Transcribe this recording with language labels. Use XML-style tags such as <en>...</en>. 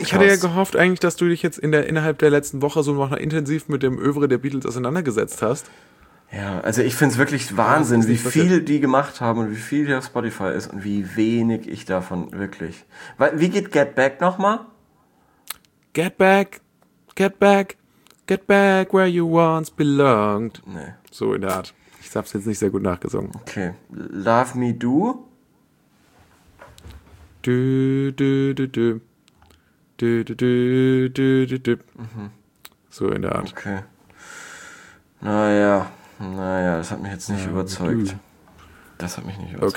<de>Ja, ich hatte ja gehofft eigentlich, dass du dich jetzt innerhalb der letzten Woche so noch intensiv mit dem Oeuvre der Beatles auseinandergesetzt hast. Ja, also ich finde es wirklich Wahnsinn, wie viel die gemacht haben und wie viel hier auf Spotify ist und wie wenig ich davon wirklich... Wie geht Get Back nochmal?</de> <en>Get back, get back, get back where you once belonged.</en> <de>Nee. So in der Art. Ich hab's jetzt nicht sehr gut nachgesungen. Okay. Love me do. Du, du, du, du. Du, du, du, du, du, du. Mhm. So in der Art. Okay. Naja. Naja, das hat mich jetzt nicht überzeugt. Das hat mich nicht überzeugt.</de>